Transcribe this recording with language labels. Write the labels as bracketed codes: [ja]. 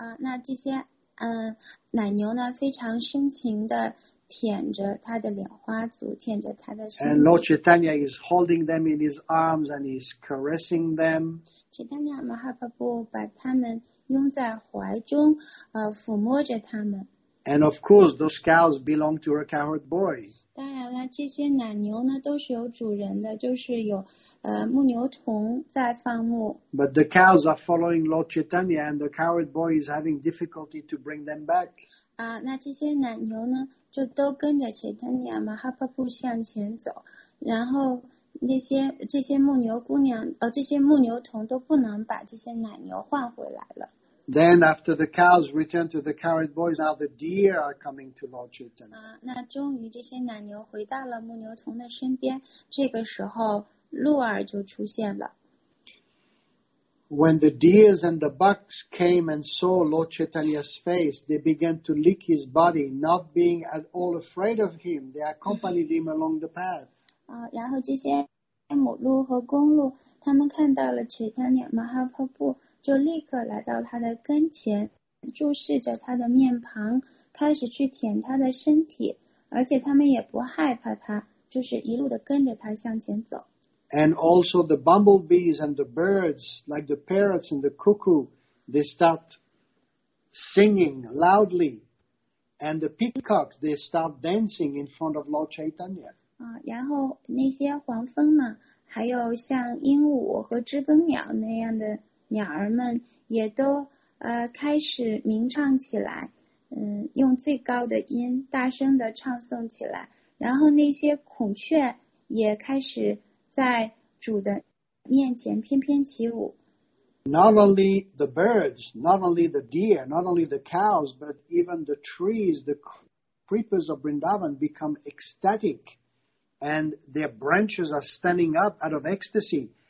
[zh] 那这些奶牛呢非常深情地舔着他的莲花足，舔着他的身体。 [en] And Lord Chaitanya is holding them in his arms and he's caressing them. [zh] Chaitanya Mahaprabhu 把他们拥在怀中，抚摸着他们。 [en] And of course, those cows belong to a cowherd boy. [zh] 当然了，这些奶牛呢都是有主人的，就是有牧牛童在放牧。 [en] But the cows are following Lord Chaitanya, and the cowherd boy is having difficulty to bring them back. [zh] 那这些奶牛呢就都跟着 Chaitanya Mahaprabhu 向前走，然后这些牧牛姑娘这些牧牛童都不能把这些奶牛换回来了。 [en] Then after the cows return to the cowherd boys, now the deer are coming to Lord Chaitanya. [zh] 那终于这些奶牛回到了牧牛童的身边，这个时候鹿儿就出现了。 [en] When the deers and the bucks came and saw Lord Chaitanya's face, they began to lick his body, not being at all afraid of him. They accompanied him along the path. [zh] 然后这些母鹿和公鹿，他们看到了 Chaitanya Mahaprabhu。就立刻来到他的跟前，注视着他的面庞，开始去舔他的身体，而且他们也不害怕他，就是一路的跟着他向前走。 [en] And also the bumblebees and the birds, like the parrots and the cuckoo, they start singing loudly. And the peacocks, they start dancing in front of Lord Chaitanya. [zh] 然后那些黄蜂们，还有像鹦鹉和知更鸟那样的鸟儿们也都开始鸣唱起来，用最高的音大声地唱诵起来。然后那些孔雀也开始在主的面前翩翩起舞。 [en] Not only the birds, not only the deer, not only the cows, but even the trees, the creepers of Vrindavan become ecstatic, and their branches are standing up out of ecstasy.